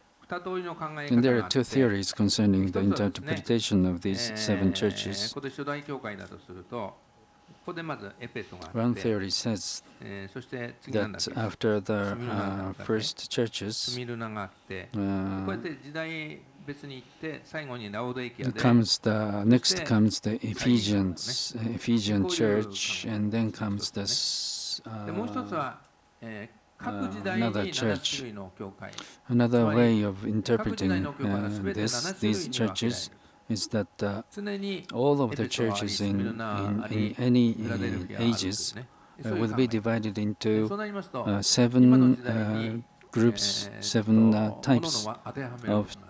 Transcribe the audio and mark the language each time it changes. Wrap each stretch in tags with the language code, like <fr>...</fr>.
<en>And there are two theories concerning the interpretation of these seven churches.</en> <ja>これ初代教会だとすると、ここでまずエペソがあって、</ja> <en>One theory says that after the first churches,</en> <ja>スミルナがあって、こうやって時代別に行って最後にラオドエキアで、</ja> <en>comes the next comes the Ephesians, Ephesian church, and then comes this.</en> <ja>もう一つは各時代に7種類の教会。</ja> <en>Another way of interpreting this, these churches is that all of the churches in any ages will be divided into seven groups, seven types of.</en>